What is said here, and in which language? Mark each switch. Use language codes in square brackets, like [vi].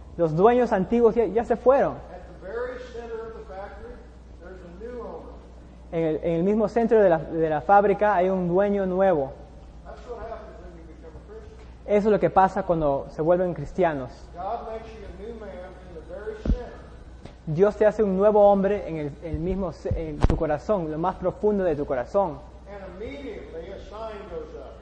[es] Los dueños antiguos ya se fueron. [en] At the very center of the factory, there's a new owner. [es] En el mismo centro de la fábrica hay un dueño nuevo. [en] That's what happens when you become a Christian. [es] Eso es lo que pasa cuando se vuelven cristianos. [en] God makes you a new man in the very center. [es] Dios te hace un nuevo hombre en tu corazón, lo más profundo de tu corazón. [en] And immediately a sign goes up.